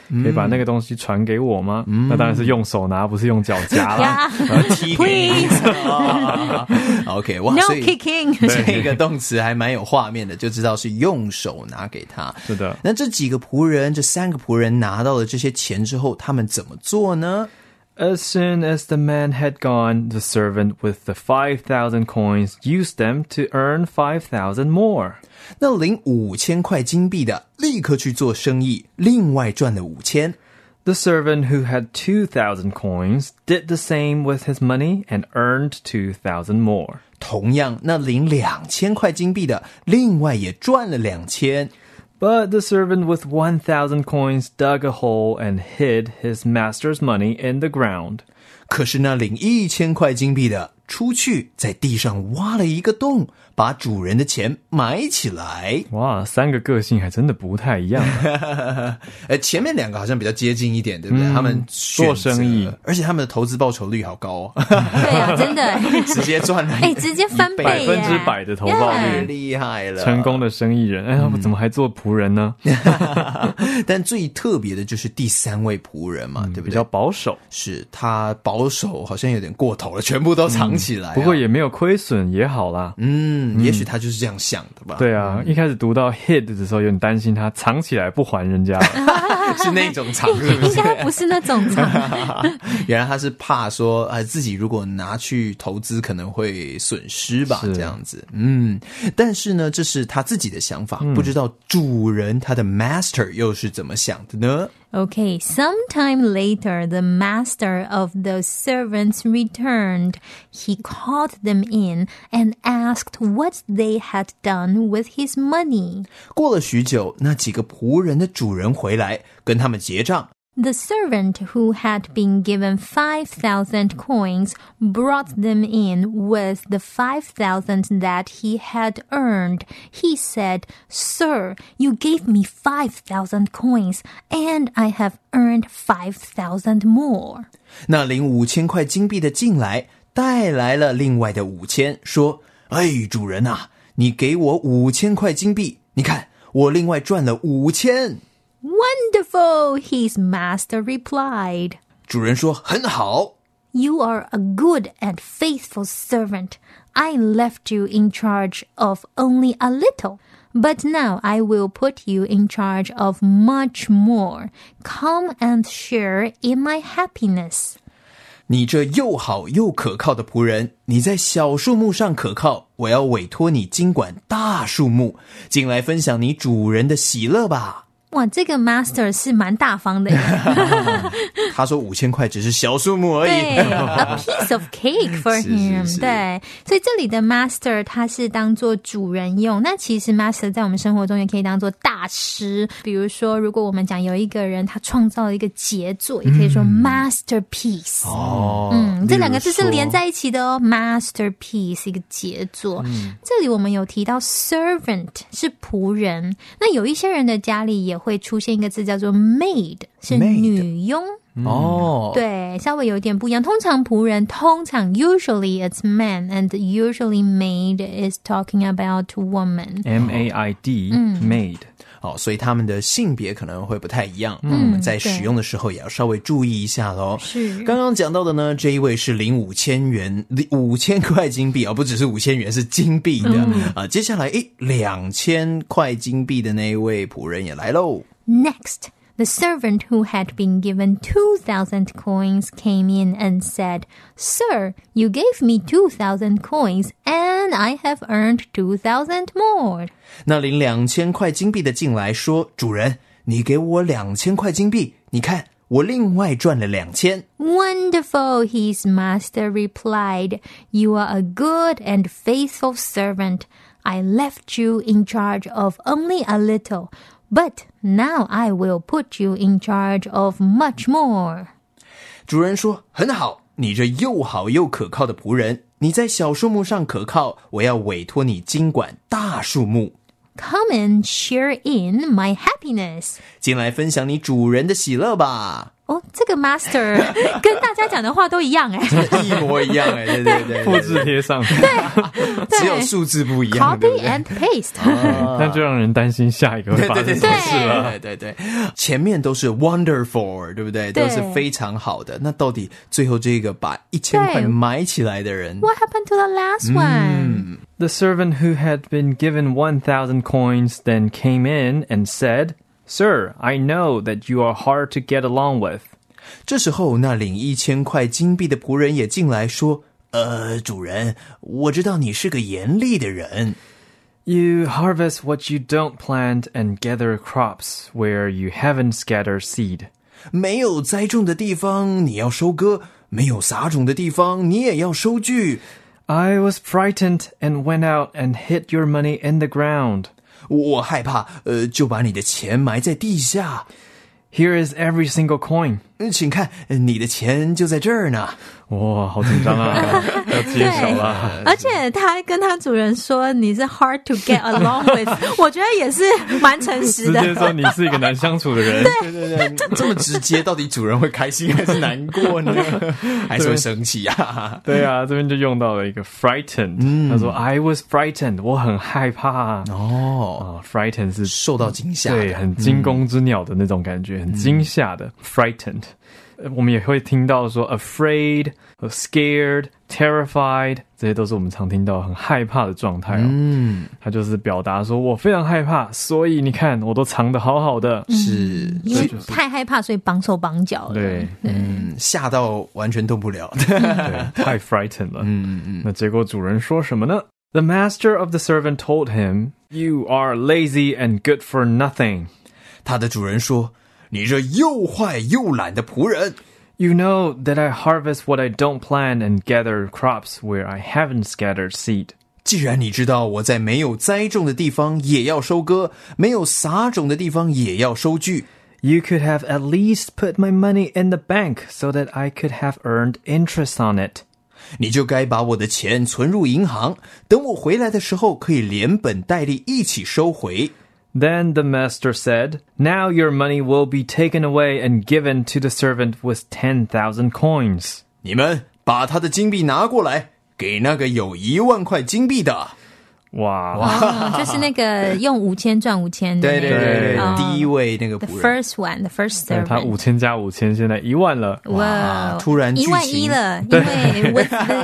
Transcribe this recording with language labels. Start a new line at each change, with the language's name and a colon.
Chinese: 可以把那个东西传给我吗？那当然是用手拿，不是用脚夹啦。
English: Please， OK， 哇，No kicking，
Chinese: 这个动词还蛮有画面的，就知道是用手拿给他。是的，那这几个仆人，这三个仆人拿到了这些钱之后，他们怎么做呢？
English: As soon as the man had gone, the servant with the 5,000 coins used them to earn 5,000 more.
Chinese: 那领5,000块金币的立刻去做生意，另外赚了5,000。
English: The servant who had 2,000 coins did the same with his money and earned 2,000 more.
Chinese: 同样，那领2,000块金币的另外也赚了2,000。
English: But the servant with 1,000 coins dug a hole and hid his master's money in the ground.
Chinese: 可是那领1000块金币的出去在地上挖了一个洞，把主人的钱埋起来。哇，三个个性还真的不太一样。前面两个好像比较接近一点，对不对？他们做生意，而且他们的投资报酬率好高哦。对啊，真的，直接赚了，直接翻倍， 100%的投报率，太厉害了，成功的生意人。我怎么还做仆人呢？但最特别的就是第三位仆人嘛，对不对？比较保守，是他保守，好像有点过头了，全部都藏起来。不过也没有亏损也好啦。也许他就是这样想的吧。对啊，一开始读到 hid 的时候，有点担心他藏起来不还人家了。是那种藏是不是？应该不是那种藏。原来他是怕说自己如果拿去投资可能会损失吧，这样子。但是呢，这是他自己的想法，不知道主人他的 master 又是怎么想的呢？
English: Okay, sometime later, the master of the servants returned. He called them in and asked what they had done with his money.
Chinese: 过了许久，那几个仆人的主人回来，跟他们结账。
English: The servant who had been given 5,000 coins brought them in with the 5,000 that he had earned. He said, Sir, you gave me 5,000 coins, and I have earned 5,000 more.
Chinese: 那领五千块金币的进来，带来了另外的5000，说，哎，主人啊，你给我5000块金币，你看，我另外赚了5000。
English: Wonderful, his master replied.
Chinese: 主人说很好。
English: You are a good and faithful servant. I left you in charge of only a little, but now I will put you in charge of much more. Come and share in my happiness.
Chinese: 你这又好又可靠的仆人，你在小数目上可靠，我要委托你经管大数目，进来分享你主人的喜乐吧。哇，这个 master 是蛮大方的。他说五千块只是小数目而已。
English: 对，a piece of cake for him.
Chinese: 是是是，对。所以这里的 master 他是当做主人用。那其实 master 在我们生活中也可以当做大师。比如说如果我们讲有一个人他创造了一个杰作，也可以说 masterpiece。这两个字是连在一起的哦。masterpiece, 一个杰作。这里我们有提到 servant, 是仆人。那有一些人的家里也会出现一个字叫做 maid, 是女佣。对，稍微有点不一样。通常
English: usually it's man, and usually maid is talking about woman. M-A-I-D,、maid.
Chinese: 哦，所以他们的性别可能会不太一样，我们在使用的时候也要稍微注意一下咯。是，刚刚讲到的呢，这一位是领5000块金币，不只是5000元，是金币的。接下来，2000块金币的那一位仆人也来咯。
English: Next, the servant who had been given 2,000 coins came in and said, Sir, you gave me 2,000 coins, and I have earned 2,000 more.
Chinese: 那领2000块金币的进来说，主人，你给我2000块金币，你看，我另外赚了2000。
English: Wonderful, his master replied, You are a good and faithful servant. I left you in charge of only a little, but now I will put you in charge of much more.
Chinese: 主人说，很好，你这又好又可靠的仆人，你在小数目上可靠，我要委托你经管大数目。
English: Come and share in my happiness.
Chinese: 进来分享你主人的喜乐吧。哦，这个 master 跟大家讲的话都一样哎，一模一样哎，对对对，复制贴上，对，只有数字不一样
English: ，copy and paste。
Chinese: 那就让人担心下一个会发生什么事了。对对对，前面都是 wonderful， 对不对？都是非常好的。那到底最后这个把1000块埋起来的人
English: ，What happened to the last one？ The servant who had been given 1,000 coins then came in and said, Sir, I know that you are hard to get along with.
Chinese: 这时候那领1000块金币的仆人也进来说，主人，我知道你是个严厉的人。
English: You harvest what you don't plant and gather crops where you haven't scattered seed.
Chinese: 没有栽种的地方你要收割，没有撒种的地方你也要收据。
English: I was frightened and went out and hid your money in the ground.
Chinese: 我害怕，就把你的钱埋在地下。
English: Here is every single coin.
Chinese: 请看，你的钱就在这儿呢。哇，好紧张啊，要揭晓了。而且他跟他主人说你是
English: hard to get along with，
Chinese: 我觉得也是蛮诚实的。直接说你是一个难相处的人。对，这么直接，到底主人会开心还是难过呢？还是会生气啊？对啊，这边就用到了一个 frightened，他说
English: I was frightened，
Chinese: 我很害怕。 Frightened 是受到惊吓，对，很惊弓之鸟的那种感觉，很惊吓的 frightened。我们也会听到说 afraid, scared, terrified， 这些都是我们常听到很害怕的状态哦。他就是表达说我非常害怕，所以你看我都藏得好好的。是，因为太害怕所以绑手绑脚了。对，吓到完全动不了。对，太 frightened 了。那结果主人说什么呢？
English: The master of the servant told him, You are lazy and good for nothing.
Chinese: 他的主人说你这又坏又懒的仆人。
English: You know that I harvest what I don't plant and gather crops where I haven't scattered seed.
Chinese: 既然你知道我在没有栽种的地方也要收割，没有撒种的地方也要收据。
English: You could have at least put my money in the bank so that I could have earned interest on it.
Chinese: 你就该把我的钱存入银行，等我回来的时候可以连本带利一起收回。
English: Then the master said, Now your money will be taken away and given to the servant with 10,000 coins.
Chinese: 你们把他的金币拿过来，给那个有一万块金币的。哇，哇，就是那个用五千赚五千的、那个、对对对对、第一位那个
English: 仆人 The first one, the first servant
Chinese: 他五千加五千现在一万了哇, 哇，突然剧情一万一了对因为
English: the, you know,